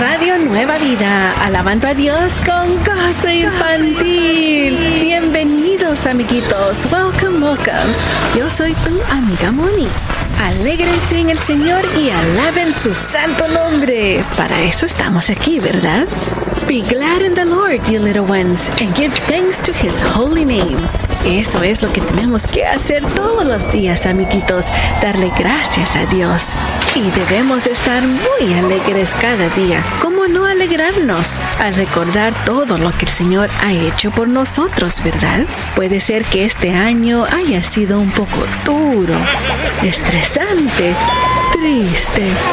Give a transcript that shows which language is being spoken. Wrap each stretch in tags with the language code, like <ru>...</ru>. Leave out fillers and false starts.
<es>Radio Nueva Vida, alabando a Dios con Gozo Infantil. Bienvenidos, amiguitos.</es> <en>Welcome, welcome.</en> <es>Yo soy tu amiga Moni. Alégrense en el Señor y alaben su santo nombre. Para eso estamos aquí, ¿verdad?</es> <en>Be glad in the Lord, you little ones, and give thanks to His holy name.</en> <es>Eso es lo que tenemos que hacer todos los días, amiguitos, darle gracias a Dios. Y debemos estar muy alegres cada día. ¿Cómo no alegrarnos al recordar todo lo que el Señor ha hecho por nosotros, verdad? Puede ser que este año haya sido un poco duro, estresante, triste.</es>